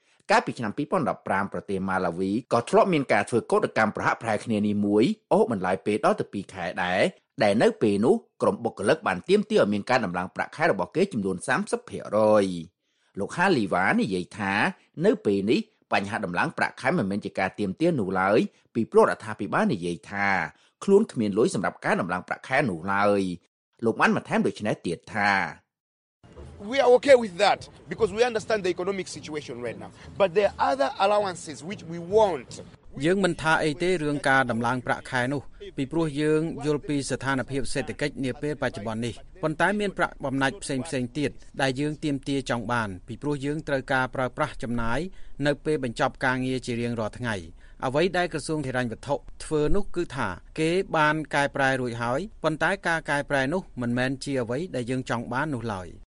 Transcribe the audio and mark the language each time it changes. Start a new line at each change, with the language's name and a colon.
Khmer: កាលពីឆ្នាំ2015ប្រទេសម៉ាឡាវីក៏ធ្លាប់មានការធ្វើកោតកម្មប្រហាក់ប្រហែលគ្នានេះមួយអូបន្លាយពេលដល់ទៅ2ខែដែរដែលនៅពេលនោះក្រុមបុគ្គលិកបានទៀមទីឲ្យមានការដំឡើងប្រាក់ខែរបស់គេចំនួន 30% លោកហាលីវ៉ានិយាយថានៅពេលនេះបញ្ហាដំឡើងប្រាក់ខែមិនមែនជាការទៀមទីនោះឡើយពីព្រោះរដ្ឋាភិបាលនិយាយថាខ្លួនគ្មានលុយសម្រាប់ការដំឡើងប្រាក់ខែនោះឡើយលោកបានបន្ថែមដូចនេះទៀតថា
English: We are okay with that because we understand the economic situation right now but there are other allowances which we want
Khmer: យើងមិនថាអីទេរឿងការដំឡើងប្រាក់ខែនោះពីព្រោះយើងយល់ពីស្ថានភាពសេដ្ឋកិច្ចនាពេលបច្ចុប្បន្ននេះប៉ុន្តែមានប្រាក់បំណាច់ផ្សេងផ្សេងទៀតដែលយើងទាមទារចង់បានពីព្រោះយើងត្រូវការប្រើប្រាស់ចំណាយនៅពេលបញ្ចប់ការងារជារៀងរាល់ថ្ងៃអ្វីដែលក្រសួងហិរញ្ញវត្ថុធ្វើនោះគឺថាគេបានកែប្រែរួចហើយប៉ុន្តែការកែប្រែនោះមិនមែនជាអ្វីដែលយើងចង់បាននោះឡើយ